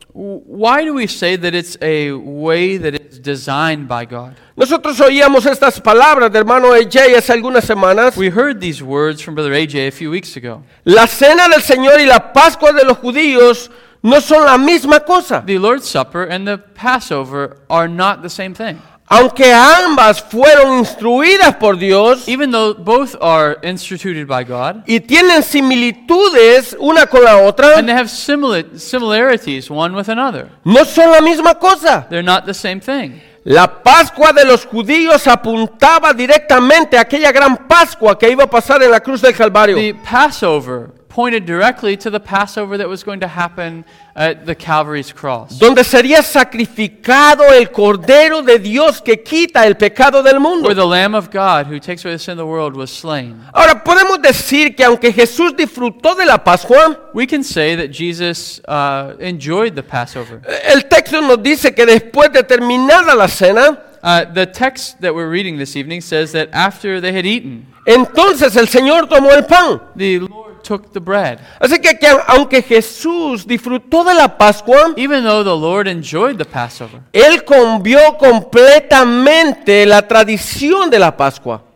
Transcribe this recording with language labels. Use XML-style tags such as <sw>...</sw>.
<en>Why do we say that it's a way that it's designed by God?</en> <es>Nosotros oíamos estas palabras del hermano AJ hace algunas semanas.</es> <en>We heard these words from Brother AJ a few weeks ago.</en> <es>La cena del Señor y la Pascua de los judíos no son la misma cosa.</es> <en>The Lord's Supper and the Passover are not the same thing.</en> <es>Aunque ambas fueron instruidas por Dios,</es> <en>even though both are instituted by God,</en> <es>y tienen similitudes una con la otra,</es> <en>and they have similarities one with another,</en> <es>no son la misma cosa.</es> <en>They're not the same thing.</en> <es>La Pascua de los judíos apuntaba directamente a aquella gran Pascua que iba a pasar en la cruz del Calvario.</es> <en>The Passover pointed directly to the Passover that was going to happen at the Calvary's cross.</en> <es>Donde sería sacrificado el Cordero de Dios que quita el pecado del mundo.</es> <en>Where the Lamb of God who takes away the sin of the world was slain.</en> <es>Ahora, podemos decir que aunque Jesús disfrutó de la Pascua,</es> <en>we can say that Jesus enjoyed the Passover.</en> <es>El texto nos dice que después de terminada la cena,</es> <en>The text that we're reading this evening says that after they had eaten,</en> <es>entonces el Señor tomó el pan.</es> <en>The Lord took the bread.</en> <es>Así que aunque Jesús disfrutó de la Pascua,</es> <en>even though the Lord enjoyed the Passover,</en> <es>él cambió completamente la tradición de la Pascua.</es>